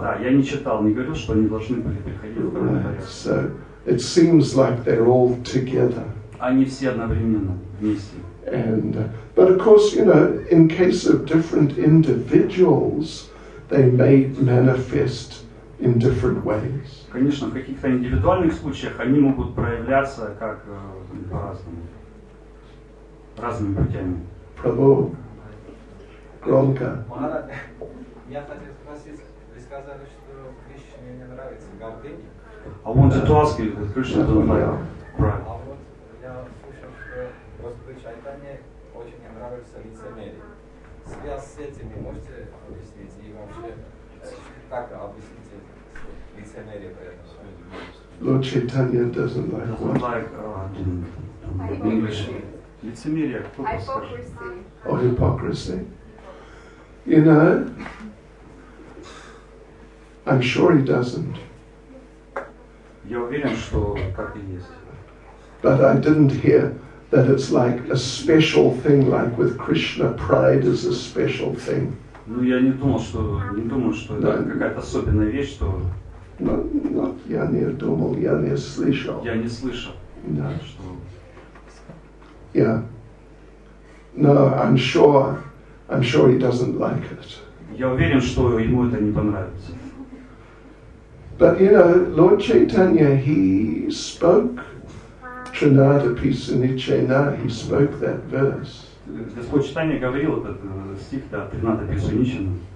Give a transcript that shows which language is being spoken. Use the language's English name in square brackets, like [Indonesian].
[Russian] Да, я не читал, не говорю, что они должны были приходить. [English] So it seems like they're all together. [Russian] Они все одновременно вместе. [English] And but of course, you know, in case of different individuals, they may manifest in different ways. [Russian] Конечно, в каких-то индивидуальных случаях они могут проявляться как по-разному, разными путями. Прабху, громко. Я хотел спросить, вы сказали, что Кришне не нравится гордыня. [English] I wanted to ask you, Кришна don't like pride. [Russian] А вот я слышал, что Господу Чайтанье очень не нравится лицемерие. Связь с этим можете объяснить? И вообще, как объясните лицемерие при этом? [English] Lord Chaitanya doesn't like what? Doesn't like in English. Hypocrisy. Hypocrisy. You know, I'm sure he doesn't. [Russian] Я уверен, что так и есть. [English] But I didn't hear that it's like a special thing, like with Krishna, pride is a special thing. [Russian] Ну я не думал, что это какая-то особенная вещь, что. Но я не думал, я не слышал. Я не слышал. Да. [English] Yeah. No, I'm sure he doesn't like it. [Russian] Я уверен, что ему это не понравится. [English] But you know, Lord Chaitanya, he spoke Trinada Pisunichena, he spoke that verse. [Russian] Господь Чайтанья говорил этот стих, да, Тринада Писуничена.